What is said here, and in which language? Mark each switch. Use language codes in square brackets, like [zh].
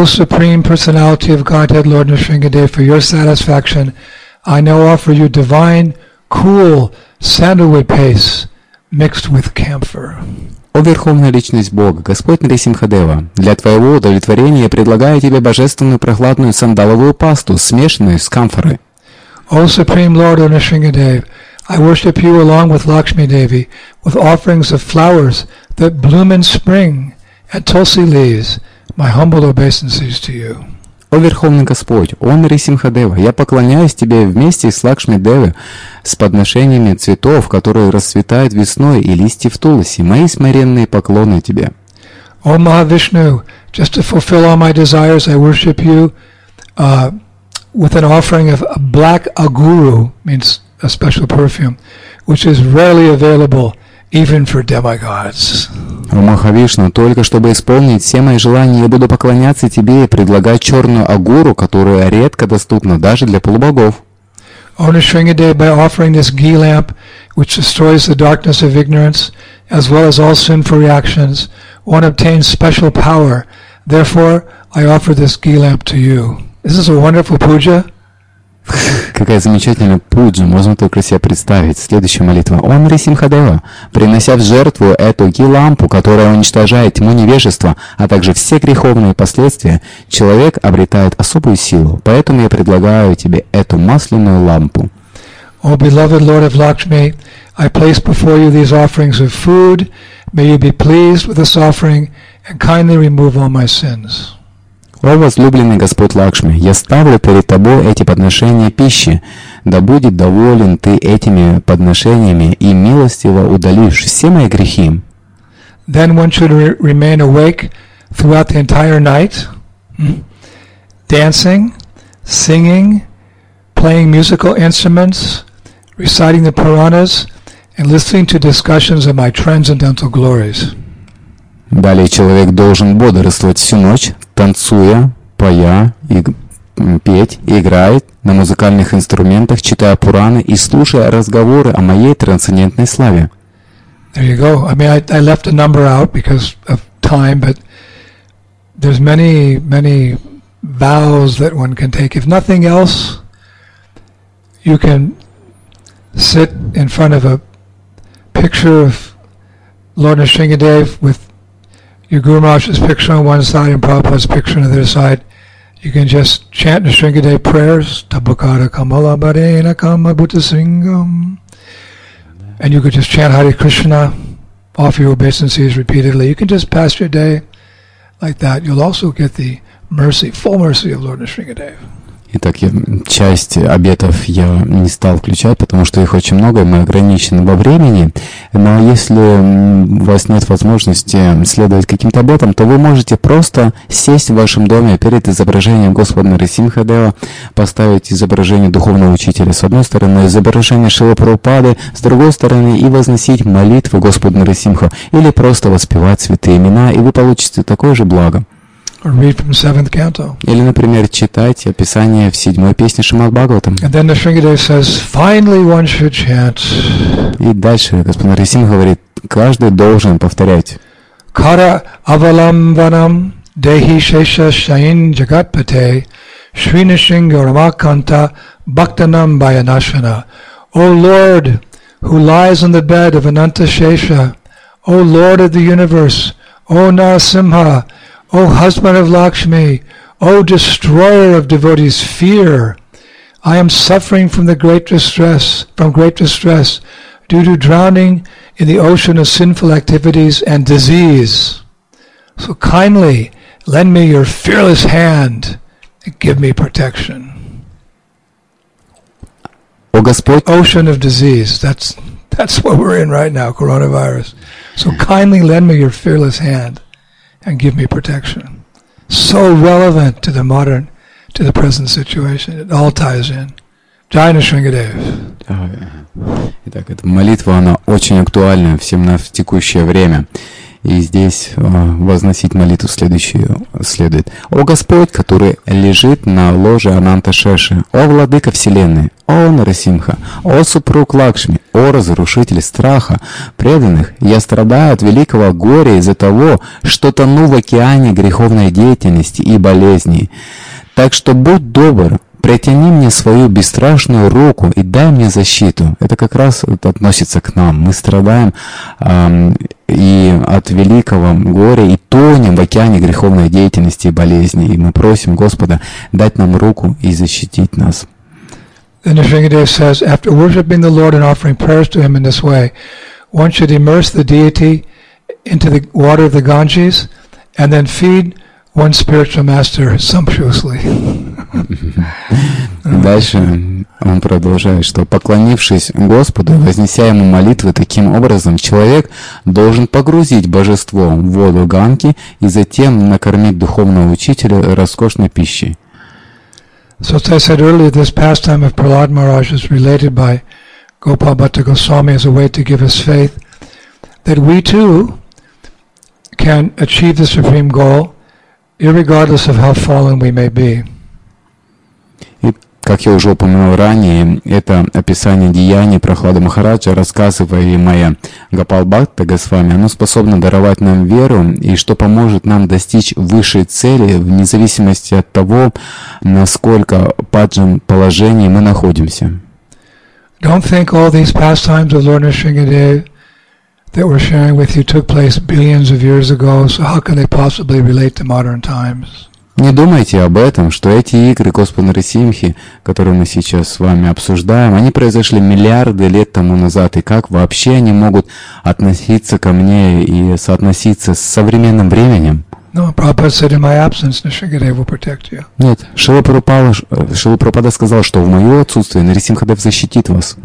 [en] O Supreme Personality of Godhead, Lord Nrisimhadev, for your satisfaction, I now offer you divine, cool sandalwood paste mixed with camphor. [ru] О Верховная Личность Бога, Господь Нрисимхадева, для Твоего удовлетворения я предлагаю Тебе божественную прохладную сандаловую пасту, смешанную с камфорой. [en] О Supreme Lord Nrisimhadev, I worship You along with Lakshmi Devi, with offerings of flowers that bloom in spring and tulsi leaves, my humble obeisances to You. [ru] О Верховный Господь, О Нрисимхадева, я поклоняюсь Тебе вместе с Лакшми Деви, с подношениями цветов, которые расцветают весной, и листья в тулосе. Мои смиренные поклоны Тебе. [en] О Махавишну, just to fulfill all my desires, I worship You with an offering of a black aguru, means a special perfume, which is rarely available even for demigods. [ru] О Махавишна, только чтобы исполнить все мои желания, я буду поклоняться Тебе и предлагать черную агуру, которая редко доступна даже для полубогов. [en] О Нрисимхадев, by offering this ghee lamp, which destroys the darkness of ignorance, as well as all sinful reactions, one obtains special power. Therefore, I offer this ghee lamp to you. This is a wonderful puja. [ru] Какая замечательная пуджа, можно только себе представить. Следующая молитва. О Нрисимхадева, принося в жертву эту ги-лампу, которая уничтожает тьму невежества, а также все греховные последствия, человек обретает особую силу. Поэтому я предлагаю тебе эту масляную лампу. [en] О, beloved Lord of Lakshmi, I place before you these offerings of food. May you be pleased with this offering and kindly remove all my sins. [ru] О, возлюбленный Господь Лакшми, я ставлю перед Тобой эти подношения пищи, да будет доволен Ты этими подношениями и милостиво удалишь все мои грехи. [en] Then one should remain awake throughout the entire night, dancing, singing, playing musical instruments, reciting the Puranas, and listening to discussions of my transcendental glories. [ru] Далее человек должен бодрствовать всю ночь, танцуя, поя, петь, играть на музыкальных инструментах, читая Пураны и слушая разговоры о моей трансцендентной славе. [en] There you go. I mean, I left a number out because of time, but there's many, many vows that one can take. If nothing else, you can sit in front of a picture of Lord Nrisimhadev with your Guru Maharaj's picture on one side and Prabhupada's picture on the other side. You can just chant Nrisimhadev prayers, [sa] Tabukara Kamala Bharena Kama Bhutta Singham. [en] And you could just chant Hare Krishna, offer your obeisances repeatedly. You can just pass your day like that, you'll also get the mercy, full mercy of Lord Nrisimhadeva. [ru] Итак, я, часть обетов я не стал включать, потому что их очень много, и мы ограничены во времени. Но если у вас нет возможности следовать каким-то обетам, то вы можете просто сесть в вашем доме перед изображением Господа Нарисимхадева, поставить изображение духовного учителя с одной стороны, изображение Шрилы Прабхупады с другой стороны, и возносить молитвы Господу Нарисимха, или просто воспевать святые имена, и вы получите такое же благо. [en] Or read from seventh canto. [ru] Или, например, читать описание в седьмой песне Шримад-Бхагаватам. [en] And then the Шрингадев says, finally one should chant. [ru] И дальше Господь Нарисимха говорит, каждый должен повторять. [sa] Кара авалам дехи шеша шаин джагатпате Шри Нрисимха Рамаканта бхактанам баянашвана. [en] O Lord, who lies on the bed of Ananta Shesha, O Lord of the universe, O Narasimha, O husband of Lakshmi, O destroyer of devotees' fear, I am suffering from great distress due to drowning in the ocean of sinful activities and disease. So kindly lend me your fearless hand and give me protection. [ru] O Господь, [en] ocean of disease, that's what we're in right now, coronavirus. So kindly lend me your fearless hand and give me protection. So relevant to the modern, to the present situation. It all ties in. Jai Nrisimhadev. [ru] Итак, эта молитва, она очень актуальна всем на текущее время. И здесь возносить молитву следующую следует. О Господь, который лежит на ложе Ананта Шеши, о Владыка Вселенной, о Нарасимха, о супруг Лакшми, о разрушитель страха преданных, я страдаю от великого горя из-за того, что тону в океане греховной деятельности и болезней. Так что будь добр, притяни мне свою бесстрашную руку и дай мне защиту. Это как раз относится к нам. Мы страдаем и от великого горя, и тонем в океане греховной деятельности и болезни. И мы просим Господа дать нам руку и защитить нас. [en] Then Nrisimhadev says, after worshiping the Lord and offering prayers to Him in this way, one should immerse the deity into the water of the Ganges and then feed one spiritual master sumptuously. [ru] Дальше он продолжает, что поклонившись Господу, вознеся ему молитвы таким образом, человек должен погрузить божество в воду Ганги и затем накормить духовного учителя роскошной пищей. [en] So as I said earlier, this pastime of Prahlad Maharaj is related by Gopal Bhatta Goswami as a way to give us faith that we too can achieve the supreme goal irregardless of how fallen we may be. [ru] И, как я уже упомянул ранее, это описание деяний Прахлады Махараджа, рассказываемое Гопал Бхатта Госвами, оно способно даровать нам веру, и что поможет нам достичь высшей цели, вне зависимости от того, насколько паджан положении мы находимся. [en] Don't think all these pastimes of Lord Nrisimhadev that we're sharing with you took place billions of years ago, so how can they possibly relate to modern times? [ru] Не думайте об этом, что эти игры Господа Нрисимхи, которые мы сейчас с вами обсуждаем, они произошли миллиарды лет тому назад, и как вообще они могут относиться ко мне и соотноситься с современным временем? Нет, Шрила Прабхупада сказал, что в мое отсутствие Нрисимхадев защитит вас.